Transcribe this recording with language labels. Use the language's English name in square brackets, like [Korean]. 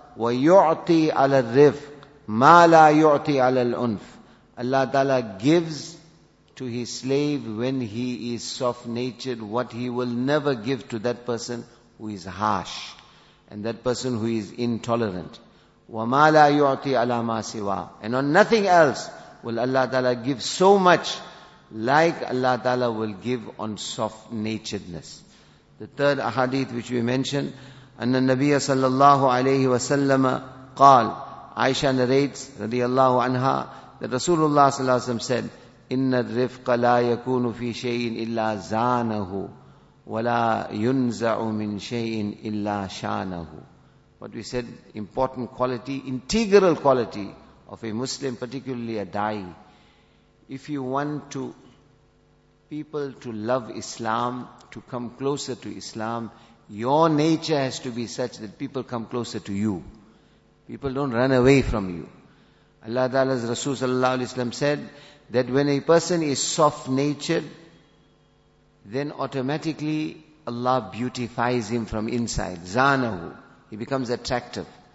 [Arabic] وَيُعْطِي عَلَى الرِّفْقِ مَا لَا يُعْطِي عَلَى الْعُنْفِ [English] Allah Ta'ala gives to His slave when he is soft-natured what he will never give to that person who is harsh and that person who is intolerant. [Arabic] وَمَا لَا يُعْطِي عَلَى مَا سِوَى [English] And on nothing else will Allah Ta'ala give so much like Allah Ta'ala will give on soft-naturedness. The third ahadith which we mentioned, [Arabic] أَنَّ النَّبِيَ صَلَّى اللَّهُ عَلَيْهِ وَسَلَّمَ قَالْ [English] Aisha narrates, [Arabic] رضي الله عنها, [English] that Rasulullah [Arabic] صلى الله عليه وسلم [English] said, [Arabic] إِنَّ الرِّفْقَ لَا يَكُونُ فِي شَيْءٍ إِلَّا زَانَهُ وَلَا يُنْزَعُ مِنْ شَيْءٍ إِلَّا شَانَهُ [English] What we said, important quality, integral quality of a Muslim, particularly a da'i. If you want to people to love Islam, to come closer to Islam, your nature has to be such that people come closer to you. People don't run away from you. Allah Ta'ala's Rasul Sallallahu Alaihi Wasallam said that when a person is soft-natured, then automatically Allah beautifies him from inside. Zanahu. He becomes attractive.